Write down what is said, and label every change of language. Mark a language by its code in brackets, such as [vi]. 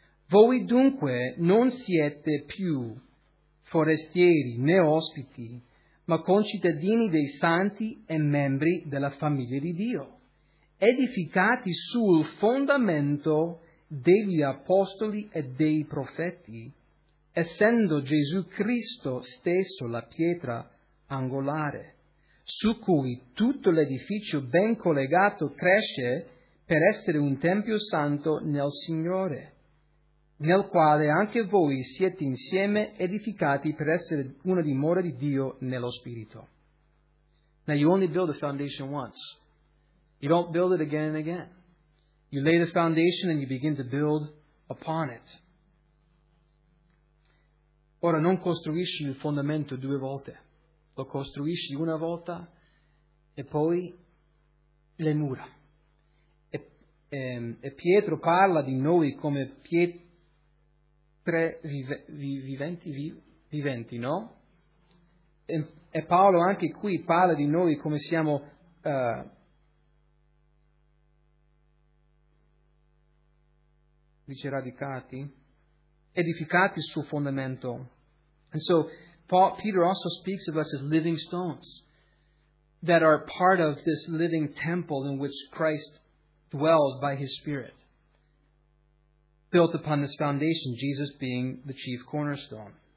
[it] Voi dunque non siete più forestieri né ospiti, ma concittadini dei santi e membri della famiglia di Dio, edificati sul fondamento degli apostoli e dei profeti, essendo Gesù Cristo stesso la pietra angolare, su cui tutto l'edificio ben collegato cresce per essere un tempio santo nel Signore, nel quale anche voi siete insieme edificati per essere una dimora di Dio nello Spirito. [en] Now you only build a foundation once. You don't build it again and again. You lay the foundation and you begin to build upon it. [it] Ora non costruisci il fondamento due volte. Lo costruisci una volta e poi le mura. E Pietro parla di noi come pietre viventi, no? E Paolo anche qui parla di noi come siamo dice radicati, edificati sul fondamento. [en] And so Paul, Peter also speaks of us as living stones that are part of this living temple in which Christ dwells by his Spirit, built upon this foundation, Jesus being the chief cornerstone.